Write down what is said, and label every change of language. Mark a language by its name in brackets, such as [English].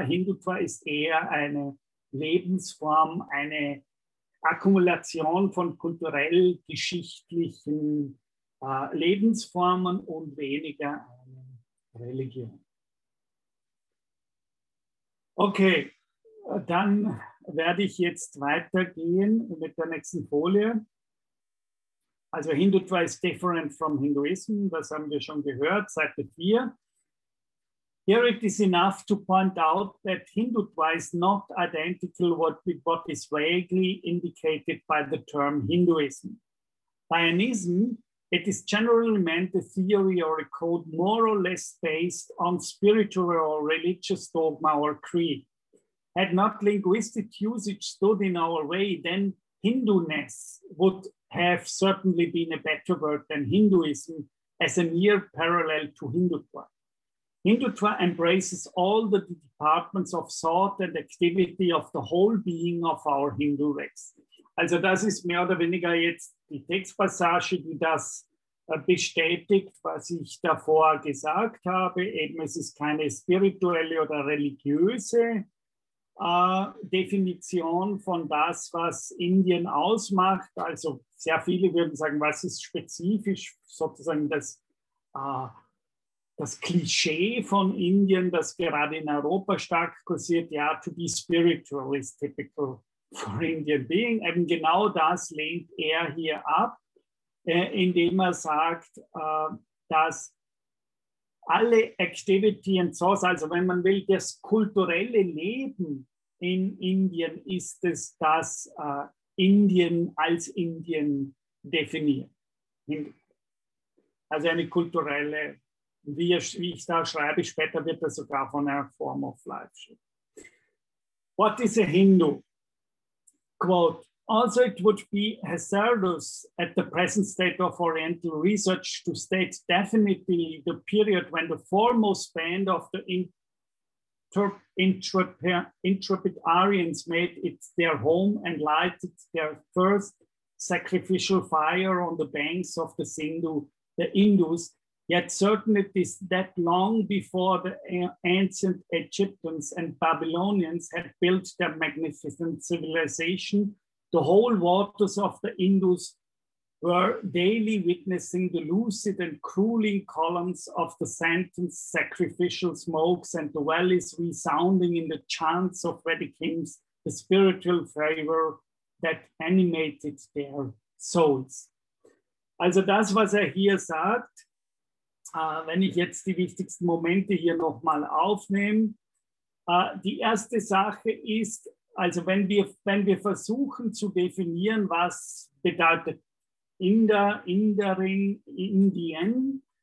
[German] Hindutva ist eher eine Lebensform, eine Akkumulation von kulturell-geschichtlichen Lebensformen und weniger eine Religion. Okay. Dann werde ich jetzt weitergehen mit der nächsten Folie. Also [English] Hindutva is different from Hinduism, [German] das haben wir schon gehört, Seite 4. [English] Here it is enough to point out that Hindutva is not identical with what is vaguely indicated by the term Hinduism. By an ism, it is generally meant a theory or a code more or less based on spiritual or religious dogma or creed. had not linguistic usage stood in our way, then Hindu-ness would have certainly been a better word than Hinduism as a near parallel to Hindutva. Hindutva embraces all the departments of thought and activity of the whole being of our Hindu race. [German] Also das ist mehr oder weniger jetzt die Textpassage, die das bestätigt, was ich davor gesagt habe. Eben, es ist keine spirituelle oder religiöse Definition von das, was Indien ausmacht. Also sehr viele würden sagen, was ist spezifisch sozusagen das Klischee von Indien, das gerade in Europa stark kursiert, ja, [English] to be spiritual is typical for Indian being. [German] Eben genau das lehnt er hier ab, indem er sagt, dass alle [English] Activity and Source, [German] also wenn man will, das kulturelle Leben in Indien ist es, das Indien als Indien definiert. Also eine kulturelle, wie ich da schreibe, später wird das sogar von einer [English] Form of Life. What is a Hindu? Quote, also it would be hazardous at the present state of Oriental research to state definitely the period when the foremost band of the intrepid Aryans made it their home and lighted their first sacrificial fire on the banks of the Sindhu, the Indus. Yet certainly it is that long before the ancient Egyptians and Babylonians had built their magnificent civilization, the whole waters of the Indus were daily witnessing the lucid and cooling columns of the sentient sacrificial smokes and the valleys resounding in the chants of Vedic hymns, the spiritual fervor that animated their souls. [German] Also das, was hier sagt, wenn ich jetzt die wichtigsten Momente hier nochmal aufnehme. Die erste Sache ist, also wenn wir versuchen zu definieren, was bedeutet Inderin, Indien,